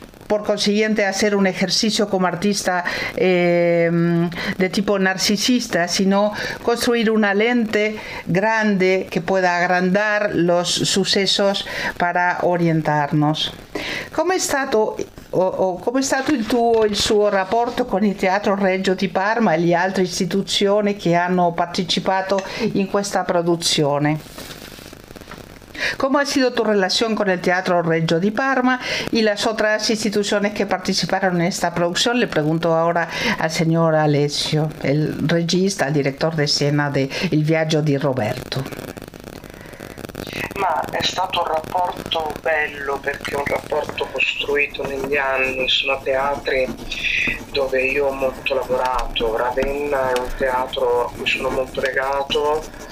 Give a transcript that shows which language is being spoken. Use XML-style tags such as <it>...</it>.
<es>por consiguiente hacer un ejercicio como artista de tipo narcisista, sino construir una lente grande que pueda agrandar los sucesos para orientarnos. ¿Cómo está tu,</es> <it>cómo è stato il tuo il suo rapporto con il Teatro Reggio di Parma e le altre istituzioni che hanno partecipato in questa produzione?</it> <es>¿Cómo ha sido tu relación con el Teatro Reggio di Parma y las otras instituciones que participaron en esta producción? Le pregunto ahora al señor Alessio, el regista, el director de escena de Il Viaggio di Roberto.</es> <it>Ma è stato un rapporto bello, perché è un rapporto costruito negli anni. Sono teatri dove io ho molto lavorato. Ravenna è un teatro a cui sono molto legato.</it>